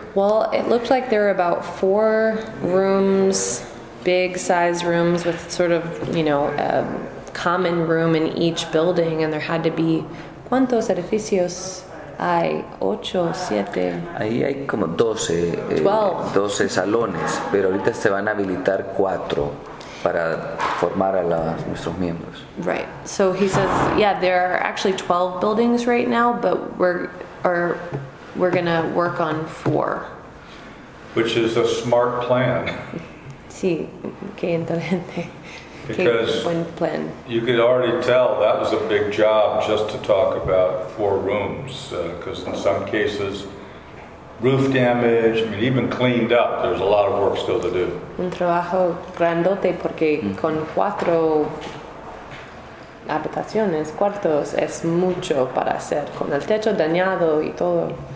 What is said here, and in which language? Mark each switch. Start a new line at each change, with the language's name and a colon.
English: Well, it looked like there were about 4 rooms, big size rooms with sort of, you know, a common room in each building, and there had to be
Spanish: cuántos edificios. Hay 8, 7. Ahí hay como 12. 12 salones, pero ahorita se van a habilitar 4 para formar a nuestros miembros.
English: Right. So he says, yeah, there are actually 12 buildings right now, but we're going to work on 4. Which is a smart plan.
Spanish: Sí, qué inteligente.
English: Because you could already tell that was a big job just to talk about 4 rooms, because in some cases, roof damage, I mean, even cleaned up, there's a lot of work still to do.
Spanish: Un trabajo grandote, porque con 4 habitaciones, cuartos, es mucho para hacer, con el techo dañado y todo.